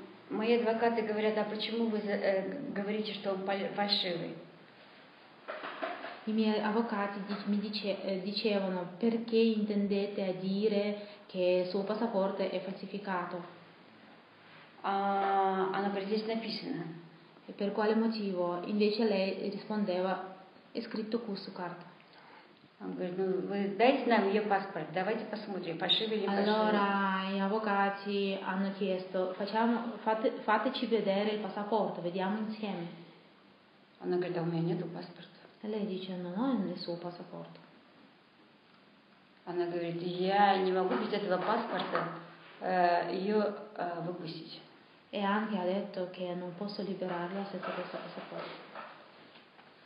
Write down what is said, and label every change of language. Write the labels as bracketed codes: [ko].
[ru] Мои адвокаты говорят, а почему вы говорите, что он фальшивый? [it] I miei avvocati mi dicevano perché intendete a dire che il suo passaporto è falsificato. Hanno preso [ru] написано. [it] E per quale motivo? Invece lei rispondeva, è scritto questo carta. Allora i avvocati hanno chiesto, fateci vedere il passaporto, vediamo insieme. Hanno detto, ma non ho il passaporto. Lei dice, non ho il suo passaporto. [ru] Она говорит, я не могу без этого паспорта ее выпустить. [it] E anche ha detto che non posso liberarla senza questo passaporto.